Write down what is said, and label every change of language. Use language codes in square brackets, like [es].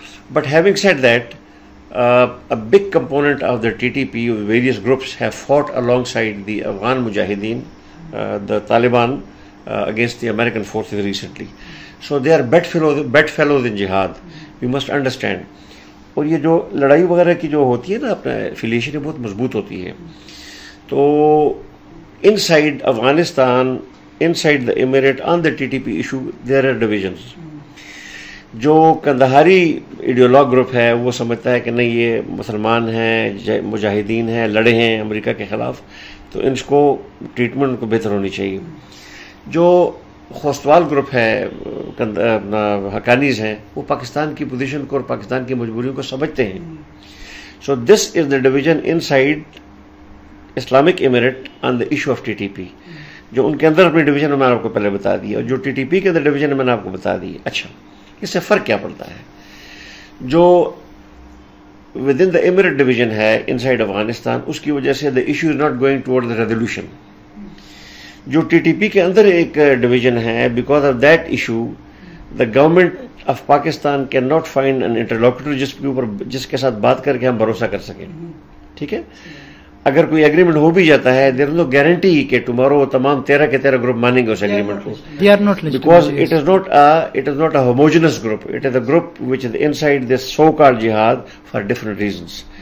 [en] But having said that, a big component of the TTP, various groups have fought alongside the Afghan Mujahideen, the Taliban, against the American forces recently. So they are bedfellows in jihad, you must understand. [ur] اور یہ جو لڑائی وغیرہ کی جو ہوتی ہے نا اپنا affiliation بہت مضبوط ہوتی ہے تو [en] inside Afghanistan inside the emirate on the TTP issue there are divisions. [ur] جو کندہاری ایڈیولوگ گروپ ہے وہ سمجھتا ہے کہ نہیں یہ مسلمان ہیں مجاہدین ہیں لڑے ہیں امریکہ کے خلاف تو ان کو ٹریٹمنٹ کو بہتر ہونی چاہیے. جو خوستوال گروپ ہے اپنا حقانیز ہیں وہ پاکستان کی پوزیشن کو اور پاکستان کی مجبوریوں کو سمجھتے ہیں. [en] So this is the division inside Islamic emirate on the issue of T T P. [ur] جو ان کے اندر اپنی ڈویژن میں آپ کو پہلے بتا دی اور جو ٹی ٹی پی کے اندر ڈویژن میں نے آپ کو بتا دی. اچھا اس سے فرق کیا پڑتا ہے؟ [en] جو within the emirate division ہے inside Afghanistan [ur] اس کی وجہ سے [en] The issue is not going toward the resolution. [ur] جو ٹی ٹی پی کے اندر ایک ڈویژن ہے [en] because of that issue the government of Pakistan can not find an interlocutor [ur] جس کے اوپر جس کے ساتھ بات کر کے ہم بھروسہ کر سکیں. ٹھیک ہے, اگر کوئی اگریمنٹ ہو بھی جاتا ہے [en] there no guarantee کہ tomorrow [ur] وہ تمام 13 کے 13 گروپ مانیں گے اس اگریمنٹ کو. [en] They are not because it is not a homogeneous group. It is a group which is inside this so call jihad for different reasons.